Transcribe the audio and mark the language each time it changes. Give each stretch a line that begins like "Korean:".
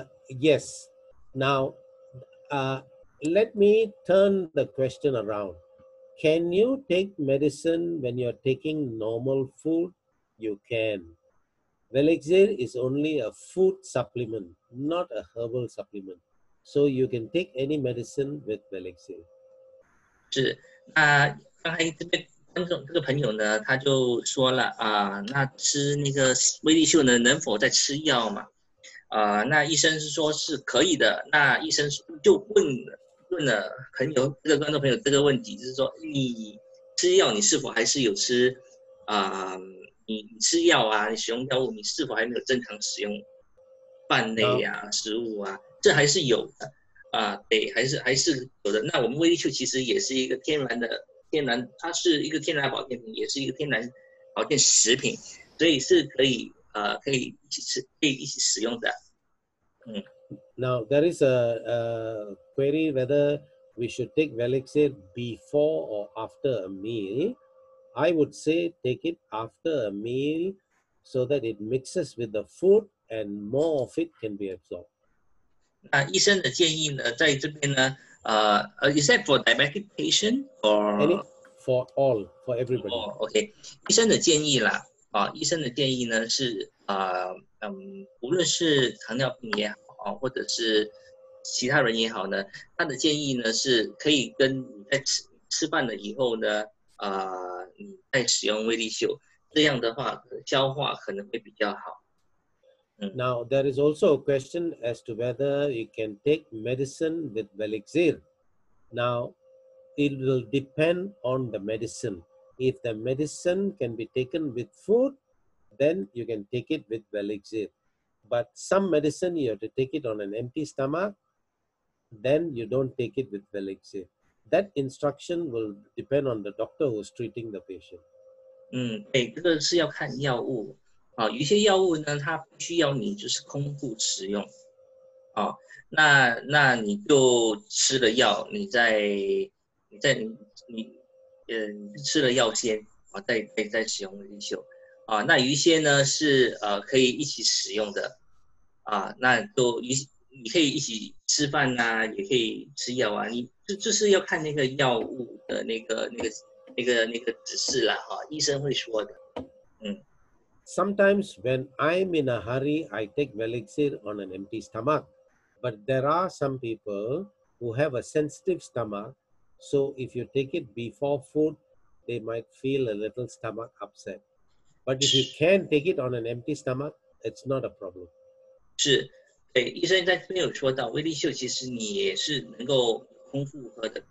English: Yes. Now, let me turn the question around. Can you take medicine when you're taking normal food? You can. Velixir is only a food supplement, not a herbal supplement. So you can take any medicine with Velixir.
Chinese: 是，刚才这个朋友呢，他就说了那吃那个威力秀呢，能否再吃药嘛？那医生是说是可以的。那医生就问了朋友，这个观众朋友这个问题，就是说你吃药，你是否还是有吃你吃药啊，你使用药物，你是否还没有正常使用饭类啊、食物啊？这还是有的啊，对，还是有的。那我们威力秀其实也是一个天然，它是一个天然保健品，也是一个天然保健食品，所以是可以一起吃，可以一起使用的，
English: Now, there is a query whether we should take Velixir before or after a meal. I would say take it after a meal so that it mixes with the food and more of it can be absorbed.
Chinese: 那医生的建议呢，在这边呢，
English: is that for diabetic patient or? For everybody. Oh, okay.
Chinese: 医生的建议啦，医生的建议呢是，无论是糖尿病也好，或者是其他人也好呢，他的建议呢是可以跟你在吃饭了以后呢，你再使用威力秀，这样的话消化可能会比较好。
English: Now there is also a question as to whether you can take medicine with Velixir. Now it will depend on the medicine. If the medicine can be taken with food, then you can take it with Velixir. But some medicine, you have to take it on an empty stomach, then you don't take it with Velixir. That instruction will depend on the doctor who's treating the patient.
Chinese: 对，这个是要看药物。有些药物呢，它不需要你就是空腹使用。那你就吃了药，你吃了药先，再使用维修。那有一些呢是可以一起使用的。那都你可以一起吃饭啊，也可以吃药啊，你就是要看那个药物的那个指示啦，医生会说的。
English: Sometimes when I'm in a hurry, I take Velixir on an empty stomach. But there are some people who have a sensitive stomach, so if you take it before food, they might feel a little stomach upset. But if you can take it on an empty stomach, it's not a problem.
Chinese: 是，对，医生在这边有说到，威力秀其实你也是能够空腹喝的。